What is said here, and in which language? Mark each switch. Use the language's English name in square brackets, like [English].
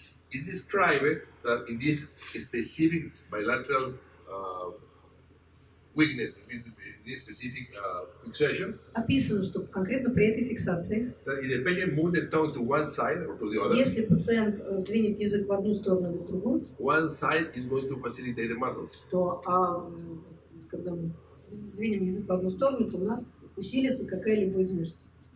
[English] It describes that in this specific bilateral weakness, this specific fixation. [Russian] Описано, что конкретно при этой фиксации. [English] That if the patient moves the tongue to one side or to the other. [Russian] Если пациент сдвинет язык в одну сторону или в другую. [English] One side is going to facilitate the muscles. [Russian] То, когда мы сдвинем язык в одну сторону, то у нас усилится какая-либо из мышц.